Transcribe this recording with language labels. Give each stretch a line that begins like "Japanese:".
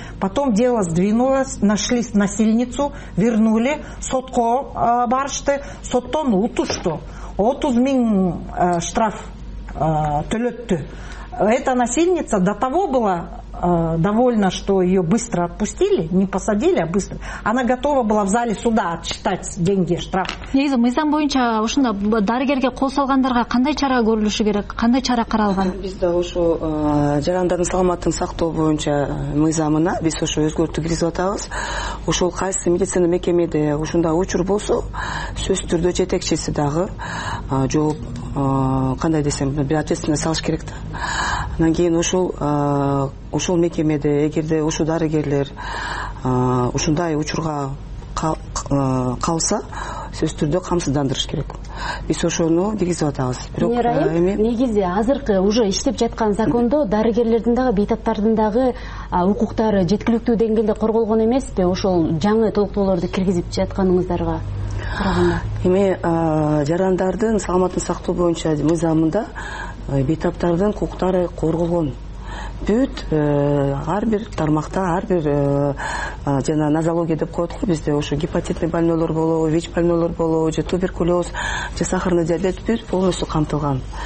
Russian: Потом дело сдвинулось, нашли насильницу, вернули,
Kyrgyz: сотко барышты, соттон утушту. 30 000 штраф төлөттү.
Russian: Эта насильница до того была довольна, что ее быстро отпустили, не посадили, а быстро. Она готова была в зале суда отсчитать деньги, штраф.
Kyrgyz: Негизи мыйзам боюнча ушундай дарыгерге кол салгандарга кандай чара көрүлүшү керек? Кандай чара каралган? Биз да ошо жарандардын саламаттыгын сактоо боюнча мыйзамына биз ошо өзгөртүү киргизип атабыз. Ошол кайсы медицина мекемеде ушундай учур болсо, сөзсүз түрдө жетекчиси дагы жооп кандай десем бир ответственность салыш керек да. Анан кийин ушул мекемеде эгерде ушул дарыгерлер ушундай учурга калса сөзсүз түрдө камсыздандырыш керек. Биз ошону киргизип атабыз. Бирок эми негизи азыркы уже иштеп жаткан закондо дарыгерлердин дагы бейтаптардын дагы укуктары жеткиликтүү деңгээлде корголгон эмеспи? Ошол жаңы толуктоолорду киргизип жатканыңыздарга эми жарандардын саламатын сактоо боюнча мыйзамында бейтаптардын укуктары корголгон. Бүт ар бир тармакта, ар бир жана нозология деп коет го бизде, ошо гепатитный больнойлор болобу, ВИЧ больнойлор болобу, же туберкулез, же сахарный диабет, бүт полностью камтылган.